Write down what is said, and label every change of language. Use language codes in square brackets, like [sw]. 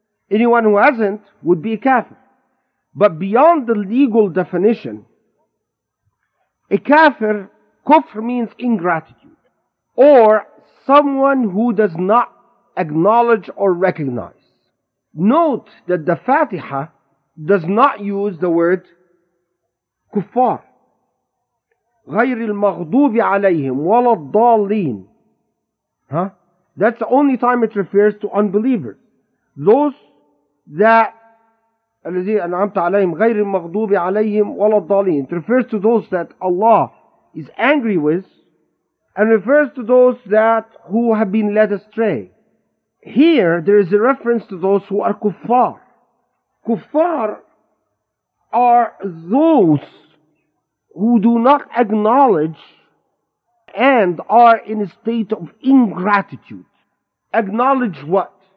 [en] Anyone who hasn't would be a kafir. But beyond the legal definition, a kafir, kufr means ingratitude, or someone who does not acknowledge or recognize. Note that the Fatiha does not use the word kuffar. [ar] غير المغضوب عليهم ولا الضالين. [en] Huh? That's the only time it refers to unbelievers. Those that [ar] الذين أنعمت عليهم غير المغضوب عليهم ولا الضالين. [en] It refers to those that Allah is angry with and refers to those that who have been led astray. Here there is a reference to those who are kuffar. Kuffar are those who do not acknowledge and are in a state of ingratitude. Acknowledge what?